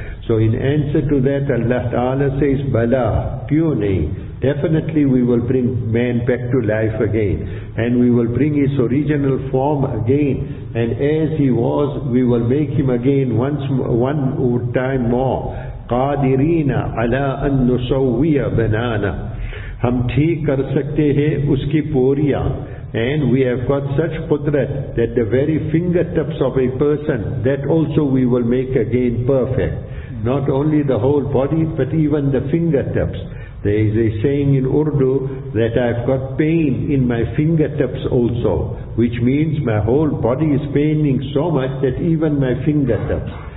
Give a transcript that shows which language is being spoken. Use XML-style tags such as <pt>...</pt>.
<en>So in answer to that, Allah Ta'ala says, bala, kyuni, definitely we will bring man back to life again. And we will bring his original form again. And as he was, we will make him again one time more.</en> <ar>قَادِرِينَ عَلَىٰ أَن نُسَوِّيَ بَنَانَا.</ar> <ur>ہم ٹھیک کر سکتے ہیں اس کی پوریاں.</ur> <en>And we have got such قدرت that the very fingertips of a person, that also we will make again perfect. Not only the whole body, but even the fingertips. There is a saying in Urdu that I've got pain in my fingertips also, which means my whole body is paining so much that even my fingertips.</en>